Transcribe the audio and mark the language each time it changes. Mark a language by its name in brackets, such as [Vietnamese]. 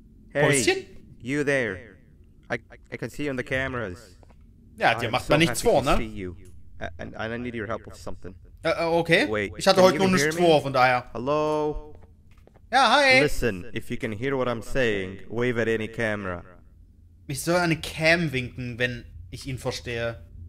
[English] Hey, Päuschen? You there. I can see you on the cameras. [German] Ja, dir macht man nichts vor, ne? [English] And I need your help with something. Okay. [German] Wait, ich hatte heute nur nichts vor, von daher. [English] Hello? [German] Ja, hi. [English] Listen, if you can hear what I'm saying, wave at any camera. [German] Ich soll eine Cam winken, wenn ich ihn verstehe.